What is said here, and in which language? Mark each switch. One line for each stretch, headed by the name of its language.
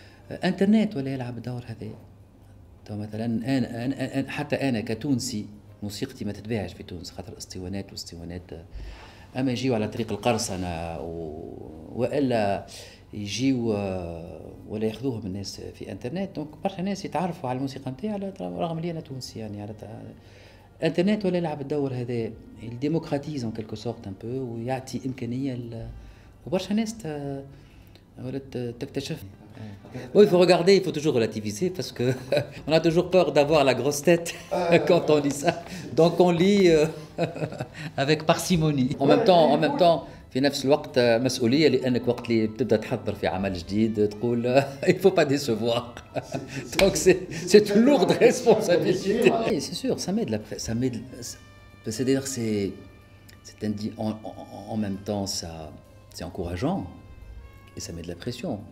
Arabic: انترنت ولا يلعب دور هذا؟ تو مثلا أنا حتى انا كتونسي موسيقتي ما تتباعش في تونس خاطر اسطوانات واسطوانات، اما يجيو على طريق القرصنه والا يجيو ولا ياخذوهم الناس في انترنت. دونك برشا ناس يتعرفوا على الموسيقى نتاعي على رغم اللي انا تونسي يعني. على انترنت ولا يلعب الدور هذا الديموكراتيز ان كلكو سورت ان بو، ويعطي امكانيه وبرشا ناس ولات تكتشف.
French: Oui, il faut regarder, il faut toujours relativiser parce que on a toujours peur d'avoir la grosse tête quand on lit ça. Donc on lit avec parcimonie. En même temps, en même temps,
Arabic: في نفس الوقت مسؤولية، لأنك وقت اللي تبدأ تحضر في عمل جديد تقول
French: il faut pas décevoir. Donc c'est une lourde responsabilité. Oui, c'est sûr, ça m'aide, ça m'aide. C'est-à-dire c'est un dit en même temps ça c'est encourageant et ça met de la pression.